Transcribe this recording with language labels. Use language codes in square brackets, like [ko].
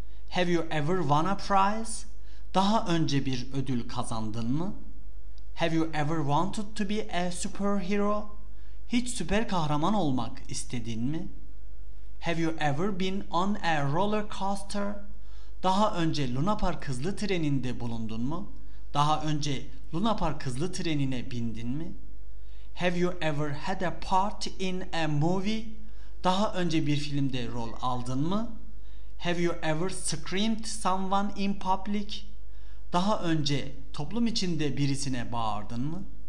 [en] Have you ever won a prize? [tr] Daha önce bir ödül kazandın mı? [en] Have you ever wanted to be a superhero? [tr] Hiç süper kahraman olmak istedin mi? [en] Have you ever been on a roller coaster? [tr] Daha önce Luna Park hızlı treninde bulundun mu? Daha önce Luna Park hızlı trenine bindin mi? [en] Have you ever had a part in a movie? [tr] Daha önce bir filmde rol aldın mı? [en] Have you ever screamed someone in public? [tr] Daha önce toplum içinde birisine bağırdın mı?